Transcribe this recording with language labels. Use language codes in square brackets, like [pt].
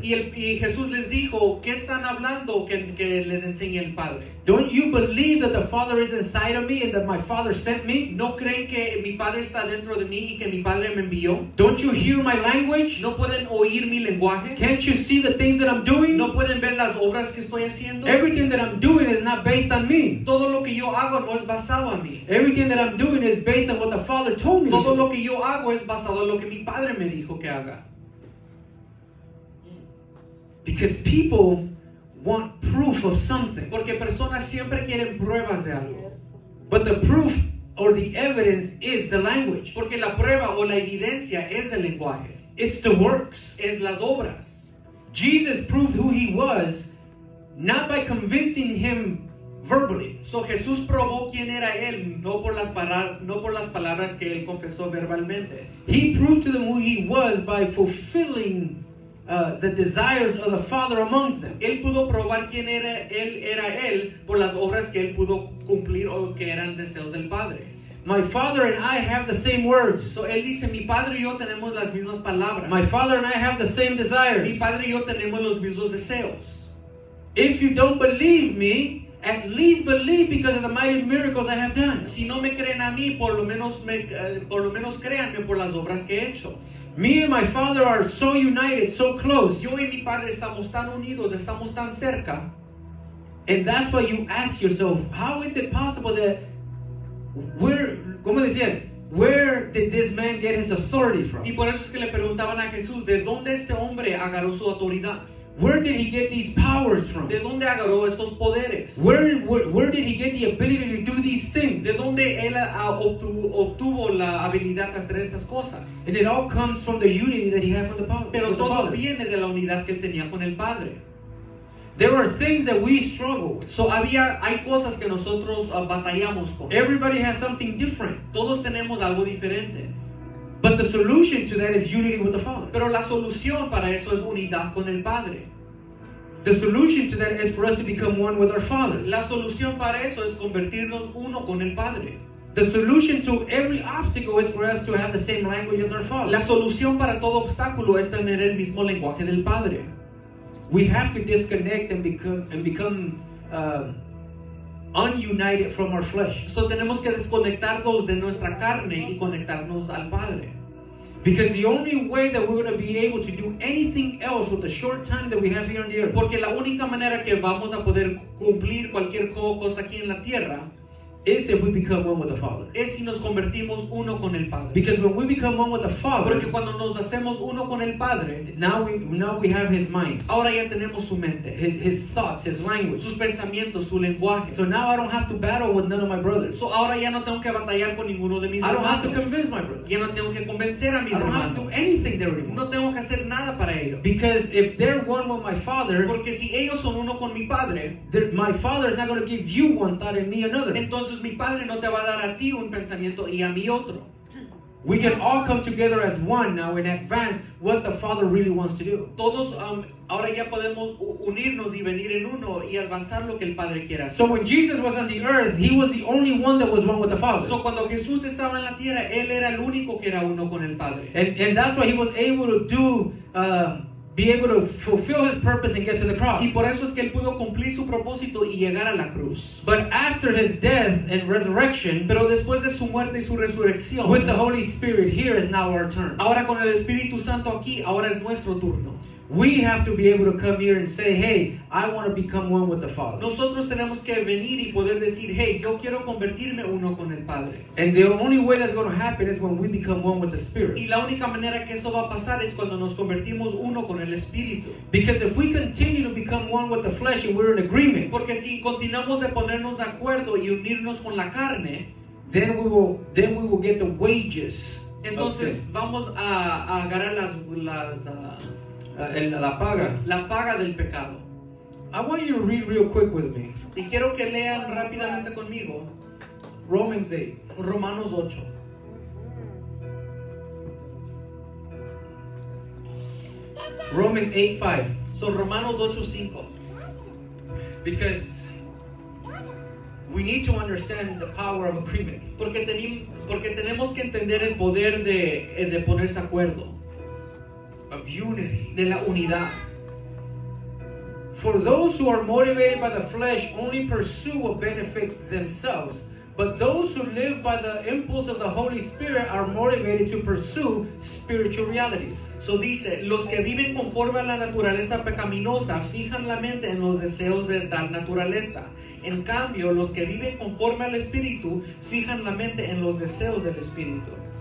[es] Y Jesús les dijo, ¿qué están hablando que les enseñe el Padre? [en] Don't you believe that the Father is inside of me and that my Father sent me? [es] ¿No creen que mi Padre está dentro de mí y que mi Padre me envió? [en] Don't you hear my language? [es] ¿No pueden oír mi lenguaje? [en] Can't you see the things that I'm doing? [es] ¿No pueden ver las obras que estoy haciendo? [en] Everything that I'm doing is not based on me. [es] Todo lo que yo hago no es basado en mí. [en] Everything that I'm doing is based on what the Father told me. [es] Todo lo que yo hago es basado en lo que mi Padre me dijo que haga. [en] Because people want proof of something. [es] Porque personas siempre quieren pruebas de algo. [en] But the proof or the evidence is the language. [es] Porque la prueba o la evidencia es el lenguaje. [en] It's the works. [es] Es las obras. [en] Jesus proved who he was not by convincing him verbally. [es] So Jesús probó quién era él, no por las palabras que él confesó verbalmente. [en] He proved to them who he was by fulfilling the desires of the Father amongst them. [es] Él pudo probar quién era él, era él por las obras que él pudo cumplir o que eran deseos del Padre. [en] My Father and I have the same words. [es] So él dice, mi Padre y yo tenemos las mismas palabras. [en] My Father and I have the same desires. [es] Mi Padre y yo tenemos los mismos deseos. [en] If you don't believe me, at least believe because of the mighty miracles I have done. [es] Si no me creen a mí, por lo menos créanme por las obras que he hecho. [en] Me and my Father are so united, so close. [es] Yo y mi Padre estamos tan unidos, estamos tan cerca. [en] And that's why you ask yourself, how is it possible that where did this man get his authority from? [es] Y por eso es que le preguntaban a Jesús, ¿de dónde este hombre agarró su autoridad? [en] Where did he get these powers from? [es] ¿De dónde agarró estos poderes? [en] Where did he get the ability to do these things? [es] ¿De dónde él obtuvo la habilidad de hacer estas cosas? [en] And it all comes from the unity that he had from the Father. [es] Pero todo viene de la unidad que él tenía con el Padre. [en] There are things that we struggle with. [es] So hay cosas que nosotros batallamos con. [en] Everybody has something different. [es] Todos tenemos algo diferente. [en] But the solution to that is unity with the Father. [es] Pero la solución para eso es unidad con el Padre. [en] The solution to that is for us to become one with our Father. [es] La solución para eso es convertirnos uno con el Padre. [en] The solution to every obstacle is for us to have the same language as our Father. [es] La solución para todo obstáculo es tener el mismo lenguaje del Padre. [en] We have to disconnect and become ununited from our flesh. [es] So tenemos que desconectarnos de nuestra carne y conectarnos al Padre. [en] Because the only way that we're going to be able to do anything else with the short time that we have here on the earth. [es] Porque la única manera que vamos a poder cumplir cualquier cosa aquí en la tierra [en] is if we become one with the Father. [es] Es si nos convertimos uno con el Padre. [en] Because when we become one with the Father, [es] porque cuando nos hacemos uno con el Padre, [en] now we have His mind. [es] Ahora ya tenemos su mente, [en] His thoughts, His language, [es] sus pensamientos, su lenguaje. [en] So now I don't have to battle with none of my brothers. [es] So ahora ya no tengo que batallar con ninguno de mis hermanos. [en] I don't have to convince my brothers. [es] Ya no tengo que convencer a mis hermanos. [en] I don't have to do anything there anymore. [es] No tengo que hacer nada para ellos. [en] Because if they're one with my Father, [es] porque si ellos son uno con mi Padre, [en] my Father is not going to give you one thought and me another. [es] Entonces mi Padre no te va a dar a ti un pensamiento y a mí otro. [en] We can all come together as one now and advance what the Father really wants to do. [es] Todos ahora ya podemos unirnos y venir en uno y avanzar lo que el Padre quiera. [en] So when Jesus was on the earth, he was the only one that was one with the Father. [es] So cuando Jesús estaba en la tierra, él era el único que era uno con el Padre. [en] And that's why he was able to do be able to fulfill his purpose and get to the cross. [es] Y por eso es que él pudo cumplir su propósito y llegar a la cruz. [en] But after his death and resurrection, [es] pero después de su muerte y su resurrección, [en] with the Holy Spirit here is now our turn. [es] Ahora con el Espíritu Santo aquí, ahora es nuestro turno. [en] We have to be able to come here and say, hey, I want to become one with the Father. [es] Nosotros tenemos que venir y poder decir, hey, yo quiero convertirme uno con el Padre. [en] And the only way that's going to happen is when we become one with the Spirit. [es] Y la única manera que eso va a pasar es cuando nos convertimos uno con el Espíritu. [en] Because if we continue to become one with the flesh and we're in agreement, [es] porque si continuamos de ponernos de acuerdo y unirnos con la carne, [en] then we will get the wages. [es] Entonces vamos a agarrar la paga del pecado. [en] I want you to read real quick with me. [es] Y quiero que lean rápidamente conmigo. [en] Romans 8. [es] Romanos 8. [en] Romans 8:5. [es] So Romanos 8:5. [en] Because we need to understand the power of agreement. [es] Porque tenemos que entender el poder de ponerse acuerdo. [en] of unity. [es] De la unidad. [en] For those who are motivated by the flesh only pursue what benefits themselves, but those who live by the impulse of the Holy Spirit are motivated to pursue spiritual realities. [es] So dice, los que viven conforme a la naturaleza pecaminosa fijan la mente en los deseos de tal naturaleza. En cambio, los que viven conforme al Espíritu fijan la mente en los deseos del Espíritu.